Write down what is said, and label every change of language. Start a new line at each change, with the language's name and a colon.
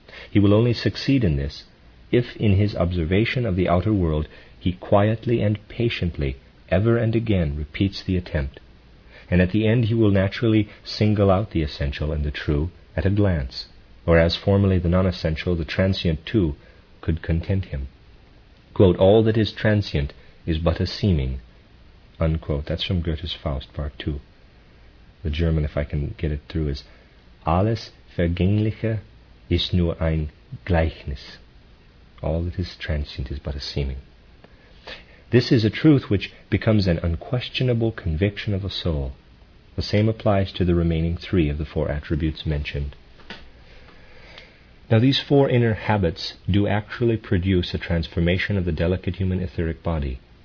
English: He will only succeed in this if in his observation of the outer world he quietly and patiently ever and again repeats the attempt, and at the end he will naturally single out the essential and the true at a glance, or as formerly the non-essential, the transient too, could content him. Quote, all that is transient is but a seeming. Unquote. That's from Goethe's Faust, Part 2. The German, if I can get it through, is
German: Alles Vergängliche ist nur ein Gleichnis.
English: All that is transient is but a seeming. This is a truth which becomes an unquestionable conviction of a soul. The same applies to the remaining three of the four attributes mentioned. Now these four inner habits do actually produce a transformation of the delicate human etheric body.